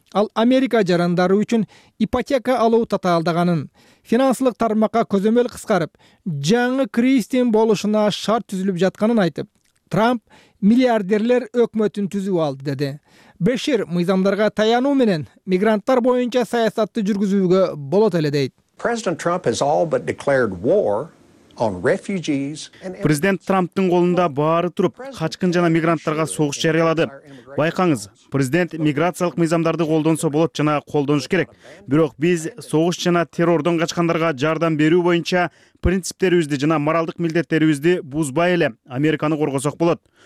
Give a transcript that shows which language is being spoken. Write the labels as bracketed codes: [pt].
[ky] Ал Америка жарандары үчүн ипотека алуу татаалдаганын, финансылык тармакка көзөмөл кыскарып, жаңы кризистин болушуна шарт түзүлүп жатканын айтып, Трамп миллиардерлер өкмөтүн түзүп алды, деди. Бешир мыйзамдарга таянуу менен мигранттар боюнча саясатты жүргүзүүгө болот эле дейт. [en] President Trump has all but declared war on refugees. [ky] Президент Трамптын колунда баары туруп, качкын жана мигранттарга согуш жарыялады. Байкаңыз, президент миграциялык мыйзамдарды колдонсо болот жана колдонуш керек. Бирок биз согуш жана террордон качкандарга жардам берүү боюнча принциптерибизди жана моралдык милдеттерибизди бузбай эле Американы коргосок болот.